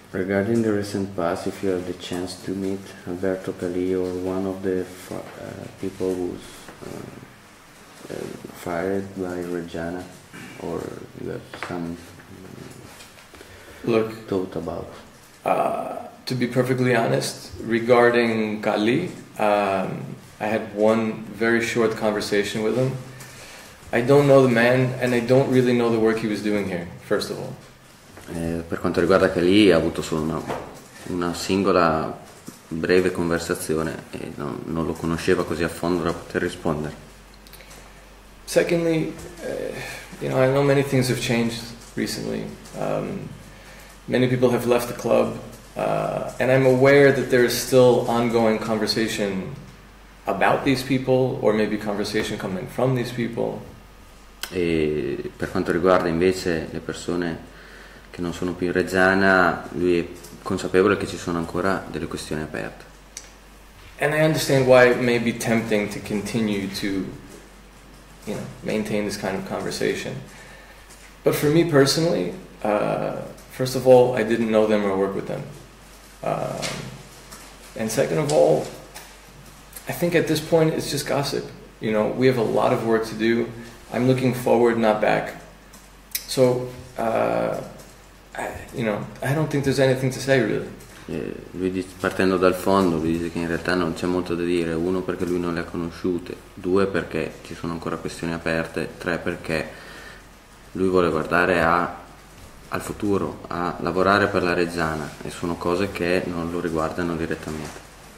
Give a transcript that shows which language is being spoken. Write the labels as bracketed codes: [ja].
[en] Regarding the recent past, if you had the chance to meet Alberto Cali or one of the people who's fired by Reggiana, or you have some look thought about? To be perfectly honest, regarding Cali, I had one very short conversation with him. I don't know the man, and I don't really know the work he was doing here, first of all. [it] Per quanto riguarda Cali, ha avuto solo una singola breve conversazione e non lo conosceva così a fondo da poter rispondere. [en] Secondly, you know, I know many things have changed recently. Many people have left the club, and I'm aware that there is still ongoing conversation about these people, or maybe conversation coming from these people. [it] E per quanto riguarda invece le persone che non sono più in Reggiana, lui è consapevole che ci sono ancora delle questioni aperte. [en] And I understand why it may be tempting to continue to, you know, maintain this kind of conversation. But for me personally, first of all, I didn't know them or work with them. And second of all, I think at this point it's just gossip. You know, we have a lot of work to do. I'm looking forward, not back. So, you know, I don't think there's anything to say really. [it] Partendo dal fondo, lui dice che in realtà non c'è molto da dire. Uno, perché lui non le ha conosciute. Due, perché ci sono ancora questioni aperte. Tre, perché lui vuole guardare al futuro, a lavorare per la Reggiana, e sono cose che non lo riguardano direttamente.